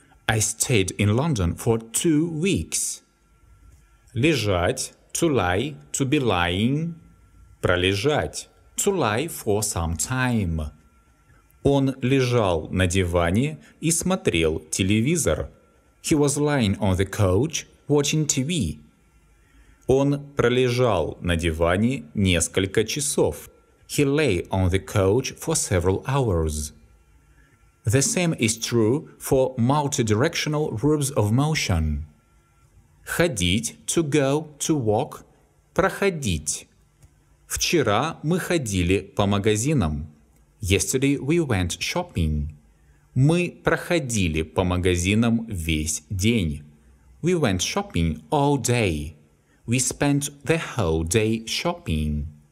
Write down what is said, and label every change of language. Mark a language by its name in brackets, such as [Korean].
[English] I stayed in London for 2 weeks. [Russian] Лежать, [English] to lie, to be lying. Пролежать, to lie for some time. [Russian] Он лежал на диване и смотрел телевизор. [English] He was lying on the couch watching TV. [Russian] Он пролежал на диване несколько часов. [English] He lay on the couch for several hours. The same is true for multidirectional verbs of motion. Ходить – to go, to walk, проходить. [Russian] Вчера мы ходили по магазинам. [English] Yesterday we went shopping. [Russian] Мы проходили по магазинам весь день. [English] We went shopping all day. We spent the whole day shopping.